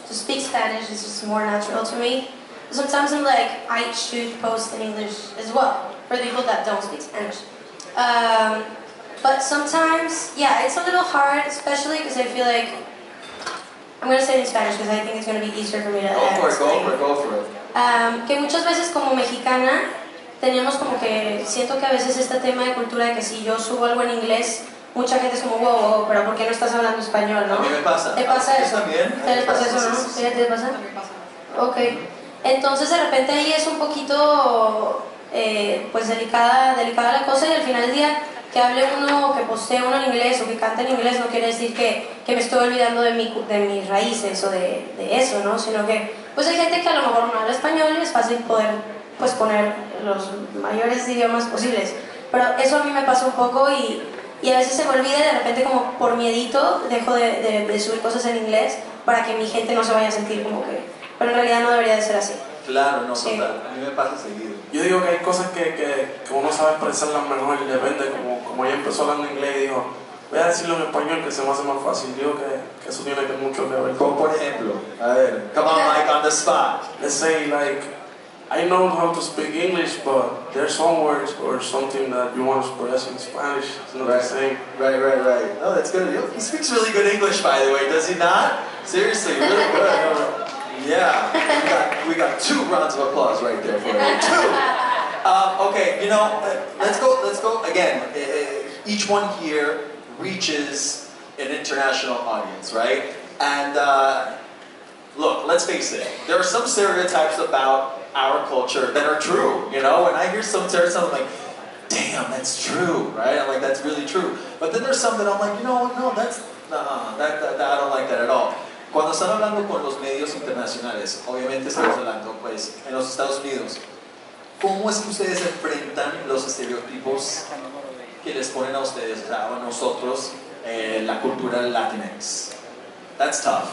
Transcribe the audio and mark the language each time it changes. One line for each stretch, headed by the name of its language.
English: To speak Spanish is just more natural to me. Sometimes I'm like, I should post in English as well for the people that don't speak Spanish. But sometimes, yeah, it's a little hard, especially because I feel like I'm going to say it in Spanish because I think it's going to be easier for me to go for it, explain. Go for it.
Spanish: Que muchas veces como mexicana, teníamos como que, siento que a veces este tema de cultura de que si yo subo algo en inglés, mucha gente es como, wow, wow, pero ¿por qué no estás hablando español, no? A mí me pasa. ¿Te pasa eso? También. ¿Te pasa eso, no? ¿Sí, te pasa? A mí me pasa. Ok. Entonces, de repente ahí es un poquito, pues, delicada la cosa y al final del día, que hable uno, que postee uno en inglés o que cante en inglés no quiere decir que me estoy olvidando de mis raíces o de eso, ¿no? Sino que, pues hay gente que a lo mejor no habla español y es fácil poder, pues, poner los mayores idiomas posibles. Pero eso a mí me pasa un poco y a veces se me olvida y de repente como por miedito dejo de subir cosas en inglés para que mi gente no se vaya a sentir como que... Pero en realidad no debería de ser así. Claro, no, sí. Total. A mí me pasa seguido. Yo digo que hay cosas que uno sabe expresarlas mejor y depende, como ella empezó hablando inglés y dijo, voy a decirlo en español que se me hace más fácil. Digo que eso tiene que mucho que ver.
English: Como por ejemplo, a ver, come on Mike, on the spot. Let's say like, I know how to speak English, but there's some words or something that you want to express in Spanish. It's not right. The same. Right. Oh, that's good. He speaks really good English, by the way, does he not? Seriously, really good. Yeah, we got two rounds of applause right there for you. Two. Okay, you know, let's go again. Each one here reaches an international audience, right? And look, let's face it. There are some stereotypes about our culture that are true. You know, when I hear some stereotypes, I'm like, damn, that's true, right? I'm like, that's really true. But then there's some that I'm like, you know, no, that's that I don't like that at all.
Spanish: Cuando están hablando con los medios internacionales, obviamente estamos hablando, pues, en los Estados Unidos, ¿cómo es que ustedes enfrentan los estereotipos que les ponen a ustedes, a nosotros, la cultura latinx?
English: That's tough.